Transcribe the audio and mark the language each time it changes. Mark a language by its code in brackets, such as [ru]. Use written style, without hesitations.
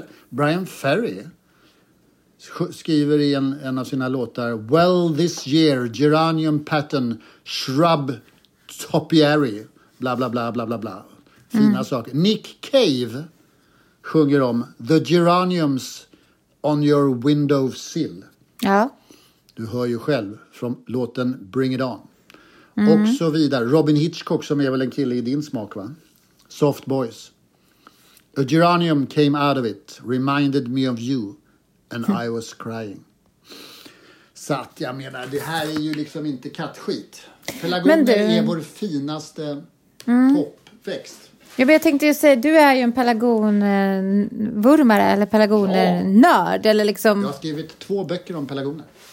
[sv] Brian Ferry skriver i en av sina låtar, [en] well this year geranium pattern shrub topiary, [sv] bla bla bla bla bla bla, fina saker. Nick Cave sjunger om [en] the geraniums on your windowsill. [sv] Ja. Du hör ju själv från låten Bring It On. Mm. Och så vidare. Robin Hitchcock, som är väl en kille i din smak, va? Soft Boys. [en] A geranium came out of it, reminded me of you, and I was crying. [sv] Så att jag menar, det här är ju liksom inte kattskit. Pelargoner är vår finaste popväxt. Jag tänkte ju säga, du är ju en pelargonvurmare eller pelargonnörd. Ja. Liksom... Jag har skrivit två böcker om pelargoner.